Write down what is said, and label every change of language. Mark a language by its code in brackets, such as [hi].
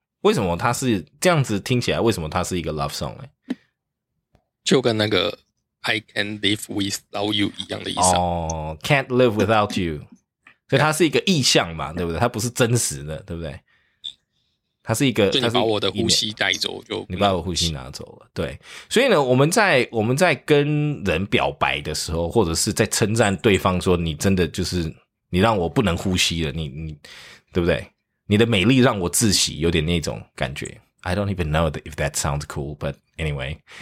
[zh] 为什么它是这样子听起来为什么它是一个 love song? 就跟那个 [en] I can't live without you [zh] 一样的意思哦、 [en] oh, Can't live without you [zh] 所以它是一个意象嘛对不对它不是真实的对不对它是一个就你把我的呼吸带走就你把我呼吸拿走了对所以呢我们在跟人表白的时候或者是在称赞对方说你真的就是你让我不能呼吸了你对不对你的美丽让我窒息有点那种感觉 [en] I don't even know if that sounds cool, but anyway.